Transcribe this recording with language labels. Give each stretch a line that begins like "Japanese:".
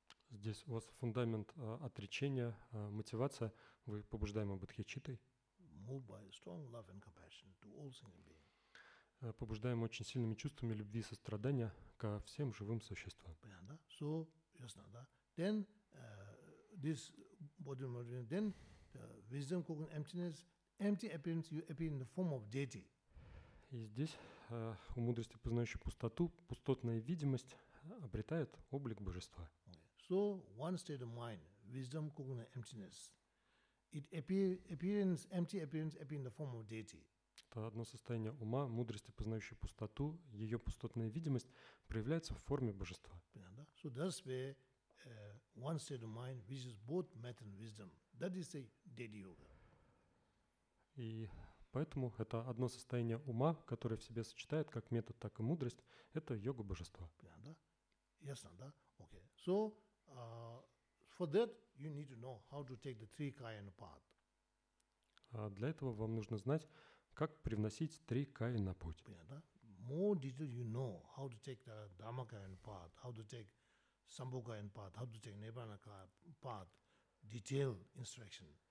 Russian: Здесь у вас фундамент отречения, мотивация, вы побуждаемы бодхичиттой.
English: Moved by strong love and compassion to all single beings.
Russian: Побуждаемы очень сильными чувствами любви и сострадания ко всем живым существам. Понятно, да? So, ясно, да?
English: Then, this bodhicitta, then, wisdom, cognition, emptiness, empty appearance, you appear in the form of deity.
Russian: И здесь у мудрости, познающей пустоту, пустотная видимость обретает облик божества.
English: So one state of mind, wisdom, cognition, emptiness, it appearance, empty appearance, appear in the form of deity.
Russian: Это одно состояние ума, мудрости, познающей пустоту, ее пустотная видимость проявляется в форме божества. Понятно?
English: So that's where one state of mind, which is both method and wisdom, that is a deity yoga.
Russian: И поэтому это одно состояние ума, которое в себе сочетает как метод, так и мудрость, это йога божества. Понятно, да? Ясно, да? Okay.
English: So, for that, you need to know how to take the three kayana path.
Russian: Для этого вам нужно знать, как привносить три кайяна на путь. Понятно, да?
English: More detail you know how to take the Dhamma kayana path, how to take Sambho kayana path, how to take Nibbana path, detail instruction.